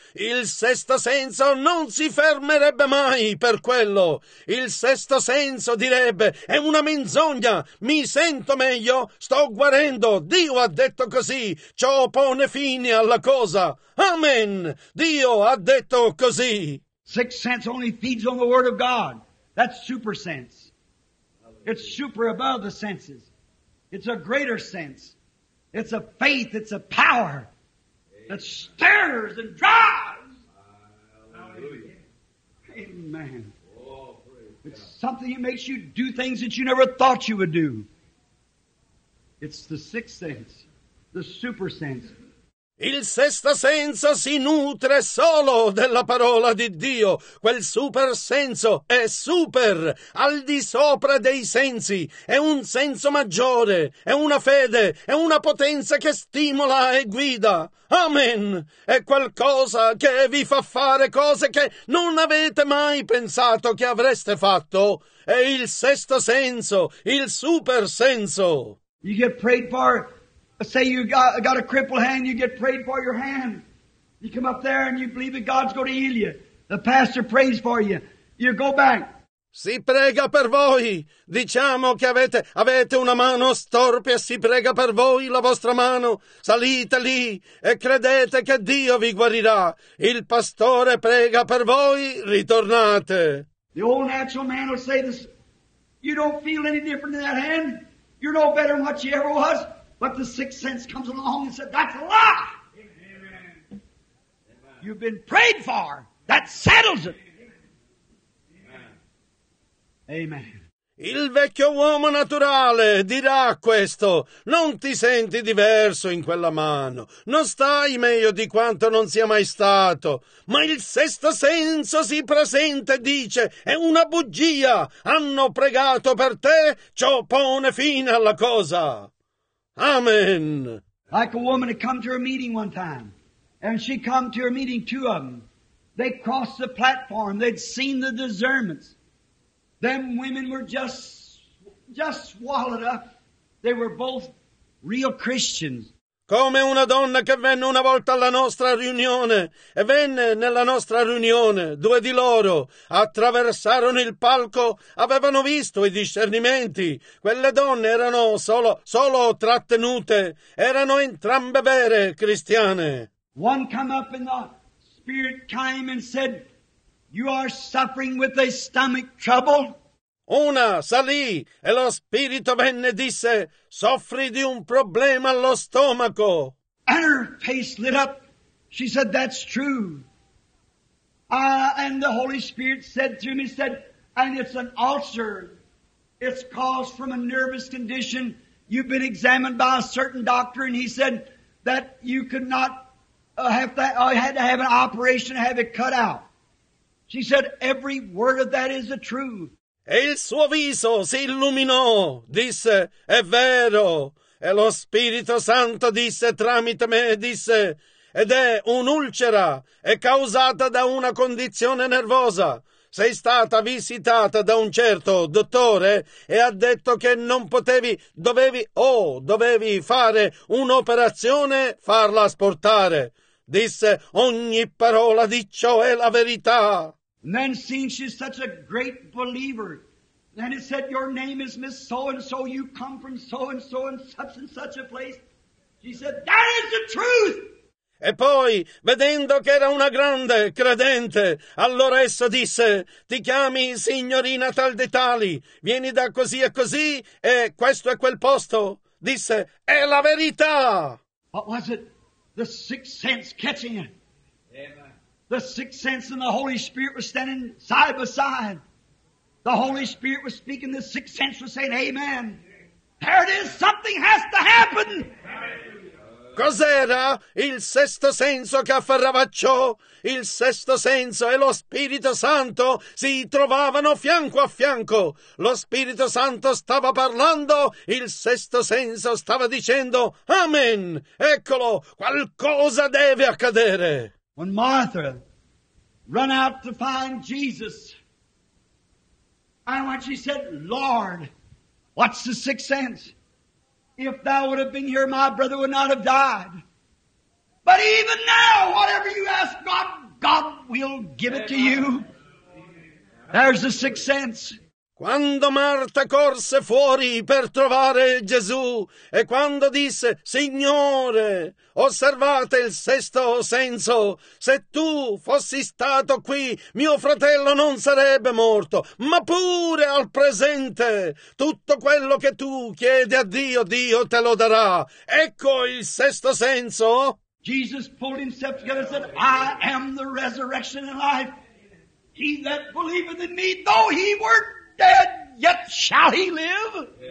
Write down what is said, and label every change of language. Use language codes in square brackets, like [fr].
[it] Il sesto senso non si fermerebbe mai per quello. Il sesto senso direbbe, è una menzogna, mi sento meglio, sto guarendo, Dio ha detto così, ciò pone fine alla cosa. Amen, Dio ha detto così. [en] Sixth sense only feeds on the word of God. That's super sense. It's super above the senses. It's a greater sense. It's a faith. It's a power that stirs and drives. Amen. It's something that makes you do things that you never thought you would do. It's the sixth sense, the super sense. [it] Il sesto senso si nutre solo della parola di Dio. Quel super senso è super, al di sopra dei sensi. È un senso maggiore, è una fede, è una potenza che stimola e guida. Amen! È qualcosa che vi fa fare cose che non avete mai pensato che avreste fatto. È il sesto senso, il super senso. [en] You get prayed for. Say you got a crippled hand, you get prayed for your hand. You come up there and you believe that God's going to heal you. The pastor prays for you. You go back. [it] Si prega per voi. Diciamo che avete una mano storpia, si prega per voi la vostra mano. Salite lì e credete che Dio vi guarirà. Il pastore prega per voi, ritornate. [en] The old natural man will say this. You don't feel any different in that hand. You're no better than what you ever was. But the sixth sense comes along and said, that's a lie. Amen. You've been prayed for. That settles it. Amen. Amen. [it] Il vecchio uomo naturale dirà questo. Non ti senti diverso in quella mano. Non stai meglio di quanto non sia mai stato. Ma il sesto senso si presenta e dice, è una bugia. Hanno pregato per te. Ciò pone fine alla cosa. Amen. [en] Like a woman had come to her meeting one time, and she come to her meeting, two of them. They crossed the platform. They'd seen the discernments. Them women were just just swallowed up. They were both real Christians. [it] Come una donna che venne una volta alla nostra riunione, e venne nella nostra riunione, due di loro attraversarono il palco, avevano visto i discernimenti, quelle donne erano solo trattenute, erano entrambe vere cristiane. [en] One come up and the spirit came and said, you are suffering with a stomach trouble. [it] Una salì e lo spirito venne e disse, soffri di un problema allo stomaco. [en] And her face lit up. She said, that's true. And the Holy Spirit said to me, said, and it's an ulcer. It's caused from a nervous condition. You've been examined by a certain doctor and he said that you could not have that. I had to have an operation to have it cut out. She said, every word of that is the truth. [it] E il suo viso si illuminò, disse, è vero. E lo Spirito Santo disse tramite me, disse, ed è un'ulcera, è causata da una condizione nervosa. Sei stata visitata da un certo dottore e ha detto che non potevi, dovevi fare un'operazione, farla asportare. Disse, ogni parola di ciò è la verità. [en] And then seeing she's such a great believer, then it said, your name is Miss So-and-so, you come from so-and-so and such a place. She said, that is the truth! [it] E poi, vedendo che era una grande credente, allora essa disse, ti chiami signorina tal di tali, vieni da così e così, e questo è quel posto. Disse, è la verità! [en] What was it? The sixth sense catching it. The sixth sense and the Holy Spirit were standing side by side. The Holy Spirit was speaking, the sixth sense was saying, amen. There it is, something has to happen. [it] Cos'era il sesto senso che afferrava ciò? Il sesto senso e lo Spirito Santo si trovavano fianco a fianco. Lo Spirito Santo stava parlando, il sesto senso stava dicendo, amen. Eccolo, qualcosa deve accadere. [en] When Martha ran out to find Jesus, and when she said, Lord, what's the sixth sense? If thou would have been here, my brother would not have died. But even now, whatever you ask God, God will give it to you. There's the sixth sense. [it] Quando Marta corse fuori per trovare Gesù e quando disse, Signore, osservate il sesto senso, se tu fossi stato qui, mio fratello non sarebbe morto, ma pure al presente, tutto quello che tu chiedi a Dio, Dio te lo darà. Ecco il sesto senso. [en] Jesus pulled himself together and said, I am the resurrection and life. He that believeth in me, though he were dead, yet shall he live.